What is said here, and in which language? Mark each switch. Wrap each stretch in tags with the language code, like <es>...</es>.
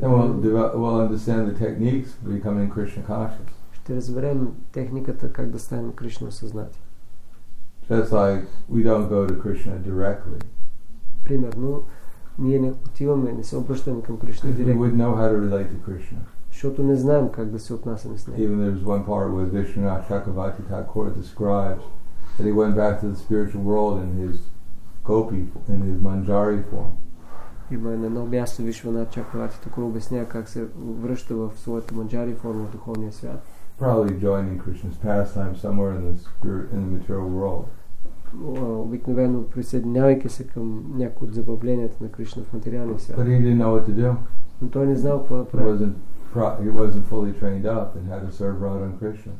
<en>преди, we'll understand the techniques of becoming Krishna conscious.</en> <bg>Ще разберем техниката как да станем Кришна осъзнати.</bg> <en>Just like we don't go to Krishna directly.</en> <bg>Примерно, ние не отиваме, не се обръщаме към Кришна директно.</bg> <en>We would know how to relate to Krishna.</en> <bg>Защото не знаем как да се отнасяме с него.</bg> <en>Even there's one part where Vishnu Chakravarti Thakur describes that he went back to the spiritual world in his gopi, in his manjari form.</en> <bg>Има на едно място Вишвана Чакравати Такур обяснява как се връща в своята манджари форма в духовния свят.</bg> <en>Probably joining Krishna's pastime somewhere in the spirit, in the material world.</en> <bg>Обикновено присъединявайки се към някои от забавленията на Кришна в материалния свят.</bg> <en>But he didn't know what to do.</en> <bg>Но той не знал какво да прави.</bg> <en>He wasn't fully trained up in how to serve Radha and Krishna.</en>